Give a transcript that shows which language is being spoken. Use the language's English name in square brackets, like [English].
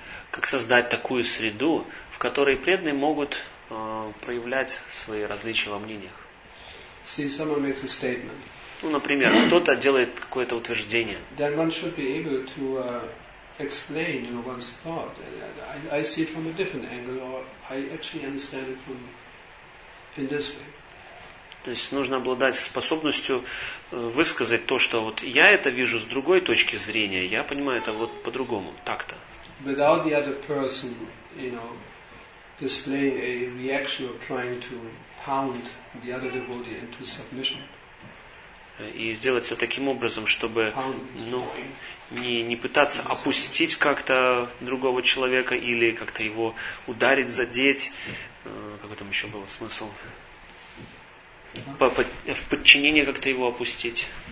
[Russian] Как создать такую среду, в которой преданные могут проявлять свои различия во мнениях? [English] See, someone makes a statement. [Russian] Ну, например, кто-то делает какое-то утверждение. [English] Then one should be able to explain, you know, one's thought. I see it from a different angle, or I actually understand it from. [Russian] То есть нужно обладать способностью высказать то, что вот я это вижу с другой точки зрения, я понимаю это вот по-другому, так-то. [English] Without the other person, you know, displaying a reaction or trying to pound the other devotee into submission. [Russian] И сделать все таким образом, чтобы не пытаться опустить как-то другого человека или как-то его ударить, задеть. Какой там еще был смысл? В подчинение как-то его опустить.